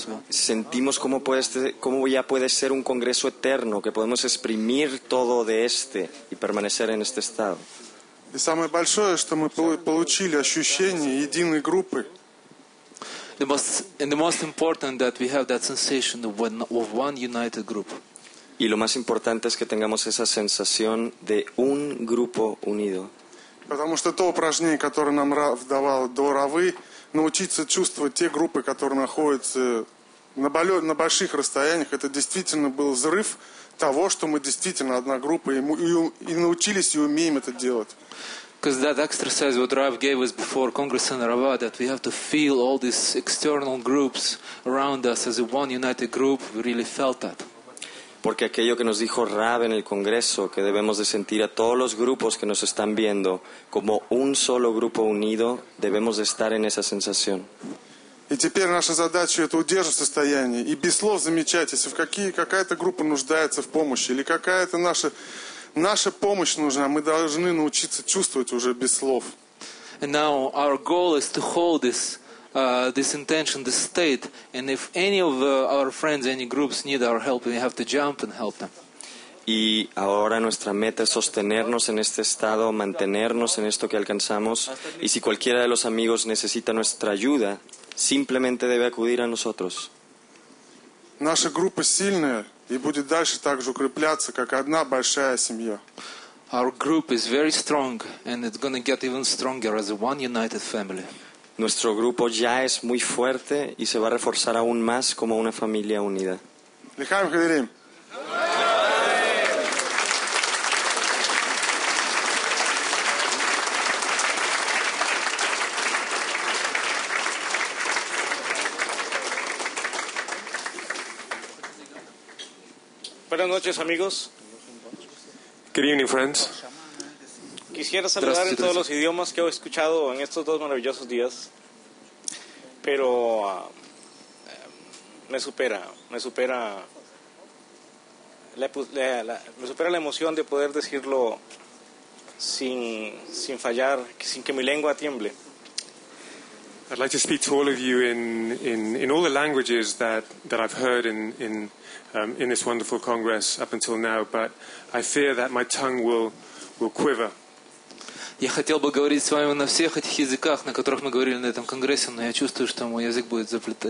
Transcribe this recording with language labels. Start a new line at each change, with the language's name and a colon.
Spanish: Sentimos cómo ya puede ser un congreso eterno, que podemos exprimir todo de este y permanecer en este estado.
Russian: Y самое большое, что мы получили ощущение единой группы.
English: The most important that we have that sensation of one united group.
Spanish: Y lo más importante es que tengamos esa sensación de un grupo unido.
Russian: Потому что то упражнение, которое нам Рав давал до Равы, научиться чувствовать те группы, которые находятся на больших расстояниях, это действительно был взрыв того, что мы действительно одна группа, и научились и умеем это делать.
English: Because that exercise what Rav gave us before Congress in Rava, that we have to feel all these external groups around us as a one united group, we really felt that.
Spanish: Porque aquello que nos dijo Rab en el Congreso, que debemos de sentir a todos los grupos que nos están viendo como un solo grupo unido, debemos de estar en esa sensación.
Russian: И теперь наша задача это удерживать состояние и без слов замечать, если в какая-то группа нуждается в помощи или какая-то наша помощь нужна, мы должны научиться чувствовать уже без слов.
English: And now our goal is to hold this intention, this state, and if any of our friends, any groups need our help, we have to jump and help them.
Spanish: Y ahora nuestra meta es sostenernos en este estado, mantenernos en esto que alcanzamos, y si cualquiera de los amigos necesita nuestra ayuda, simplemente debe acudir a nosotros.
Russian: Наша группа сильная и будет дальше также укрепляться, как одна большая семья.
English: Our group is very strong and it's going to get even stronger as a one united family.
Spanish: Nuestro grupo ya es muy fuerte y se va a reforzar aún más como una familia unida.
Hebrew: Lechaim Chaverim.
Spanish: Buenas noches, amigos.
English: Good evening, friends.
Spanish: Quisiera saludar en todos los idiomas que he escuchado en estos dos maravillosos días, pero me supera la emoción de poder decirlo sin fallar, sin que mi lengua tiemble.
English: I'd like to speak to all of you in all the languages that I've heard in this wonderful congress up until now, but I fear that my tongue will quiver.
Russian: Я хотел бы говорить с вами на всех этих языках, на которых мы говорили на этом конгрессе, но я чувствую, что мой язык будет заплетен.